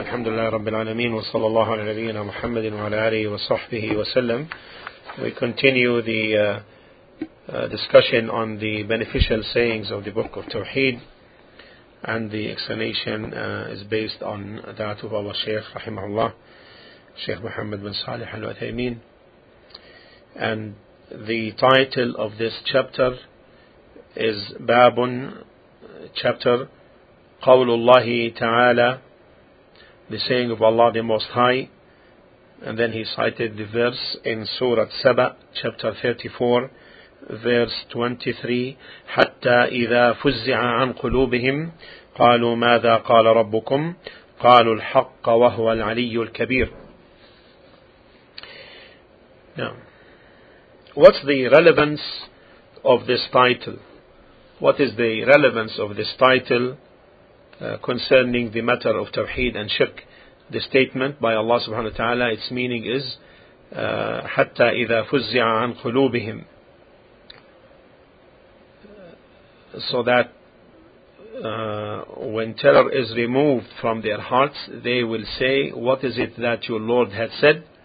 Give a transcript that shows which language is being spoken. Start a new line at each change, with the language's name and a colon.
Arabic: الحمد لله رب العالمين وصلى الله على نبينا محمد وعلى آله وصحبه وسلم.
English: We continue the discussion on the beneficial sayings of the Book of Tawheed, and the explanation is based on that of our Shaykh
Arabic: رحمه الله,
English: Shaykh Muhammad bin Salih Al-Uthaymeen. And the title of this chapter is Babun, chapter
Arabic: قول الله تعالى,
English: the saying of Allah the Most High. And then he cited the verse in Surah Saba, chapter 34, verse 23,
Arabic: حتى إذا فزع عن قلوبهم قالوا ماذا قال ربكم قالوا الحق وهو العلي الكبير.
English: Now, what's the relevance of this title? What is the relevance of this title concerning the matter of Tawheed and Shirk? The statement by Allah subhanahu wa ta'ala, its meaning is
Arabic: حَتَّى إِذَا فُزِّعَ عَنْ قُلُوبِهِمْ,
English: so that when terror is removed from their hearts, they will say, what is it that your Lord had said?